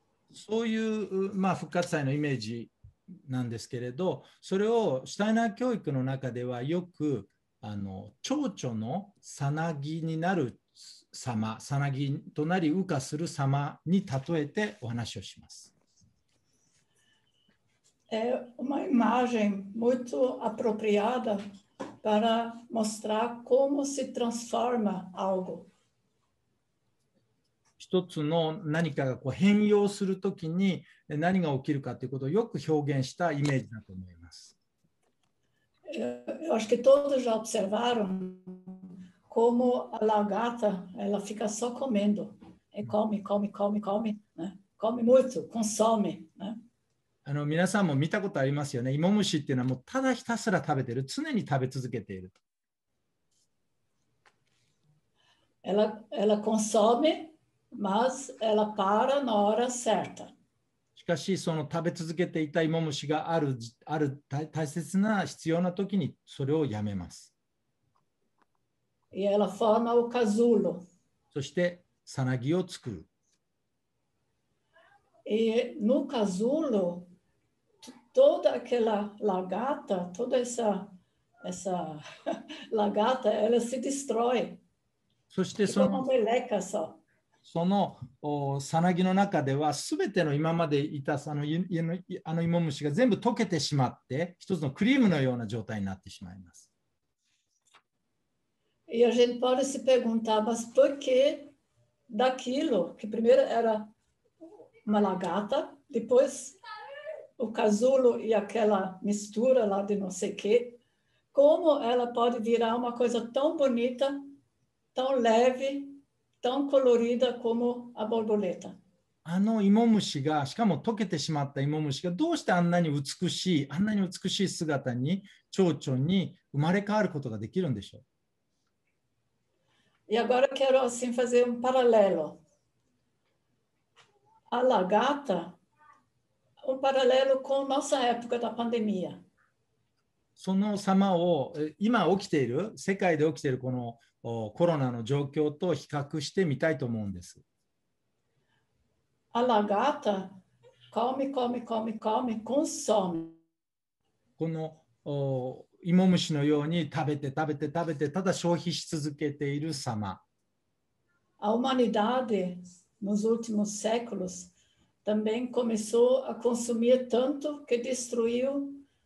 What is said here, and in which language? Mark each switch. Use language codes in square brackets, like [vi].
[ja] そういう、まあ、復活祭のイメージなんですけれど、それをシュタイナー教育の中ではよく、あの蝶々のさなぎになる様、さなぎとなり羽化する様に例えてお話をします。 [pt] É uma imagem muito apropriada para mostrar como se transforma algo. [ja] 一つの何かがこう変容するときに何が起きるかということをよく表現したイメージだと思います。 [pt] Eu acho que todos já observaram como a lagarta ela fica só comendo. E come, come, come, come, né? Come muito, consome, né? [ja] あの、皆さんも見たことありますよね。イモムシっていうのはもうただひたすら食べてる。常に食べ続けている。 [pt] Ela consome, mas ela para na hora certa. [ja] しかし、その食べ続けていたイモムシがある大切な必要な時にそれをやめます。 [pt] E ela forma o casulo. [ja] そして、さなぎを作る。 [pt] E no casulo, toda aquela lagarta, toda essa lagarta, ela se destrói. [ja] そして、その。 [pt] Como uma meleca só. [ja] そのさなぎの中では全ての今までいたあの芋虫が全部溶けてしまって一つのクリームのような状態になってしまいます。 [pt] E a gente pode se perguntar, mas por que daquilo que primeiro era uma lagarta, depois o casulo e aquela mistura lá de não sei quê, como ela pode virar uma coisa tão bonita, tão leve? Tão colorida como a borboleta. [ja] あの芋虫が、しかも溶けてしまった芋虫がどうしてあんなに美しい、あんなに美しい姿に蝶々に生まれ変わることができるんでしょう。 [pt] E agora quero assim fazer um paralelo. A lagarta, um paralelo com nossa época da pandemia. [ja] その様を今起きている世界で起きているこのコロナの状況と比較してみたいと思うんです。 [pt] A lagarta come, come, come, come, consome. [ja] このイモムシのように食べて食べて食べてただ消費し続けている様。 [pt] A humanidade nos últimos séculos também começou a consumir tanto que destruiu.